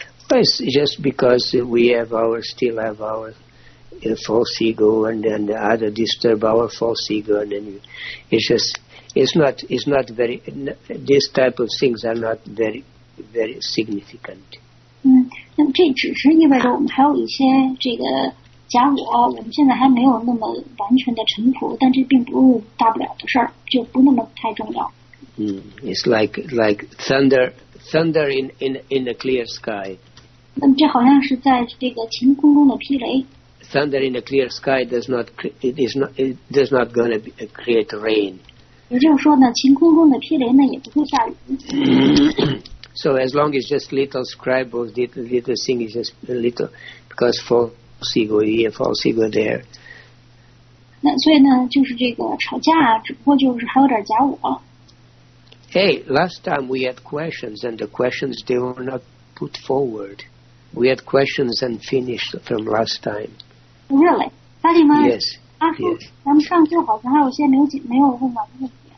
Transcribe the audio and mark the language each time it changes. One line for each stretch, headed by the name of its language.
English: Well, it's just because we have our, still have our false ego, and then the other disturb our false ego, and then it's not very, this type of things are not very, very significant.
Chinese: 嗯，那这只是意味着我们还有一些这个假我，我们现在还没有那么完全的臣服，但这并不是大不了的事儿，就不那么太重要。
English: 嗯、it's like thunder in the clear sky.
Chinese: 那么这好像是在这个晴空中的霹雷。
English: Thunder in the clear sky does not going to be, create rain.
Chinese: 也就是说呢，晴空中的霹雷呢也不会下雨。
English: So as long as just little scribbles, little thing is just a little, because for false ego here, false ego there.
Chinese: 那所以呢，就是这个吵架，只不过就是还有点假我。
English: Hey, last time we had questions, and the questions they were not put forward. We had questions and finished from last time. Really, Fatima? Yes.
Chinese: 阿叔，咱们上次好像还有些没有问完的问题。嗯，对。